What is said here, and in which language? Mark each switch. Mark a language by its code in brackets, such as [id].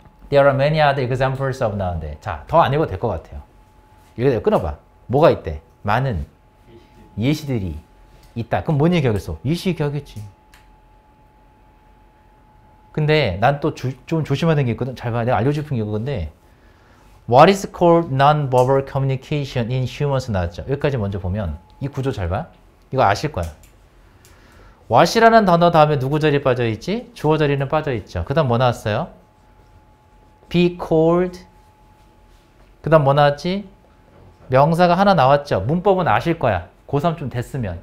[en] There are many other examples of [ko] 나온대. 자, 더 안 읽어도 될 것 같아요. 이거 끊어봐. 뭐가 있대? 많은 예시들이 있다. 그럼 뭔 얘기하겠어? 예시 얘기하겠지. 근데 난 또 좀 조심하는 게 있거든. 잘 봐. 내가 알려줄 게 그건데 [en] What is called non-verbal communication in humans [ko] 나왔죠. 여기까지 먼저 보면 이 구조 잘 봐. 이거 아실 거야. What이라는 단어 다음에 누구 자리에 빠져있지? 주어 자리는 빠져있죠. 그 다음 뭐 나왔어요? Be called. 그 다음 뭐 나왔지? 명사가 하나 나왔죠. 문법은 아실 거야. 고3 좀 됐으면.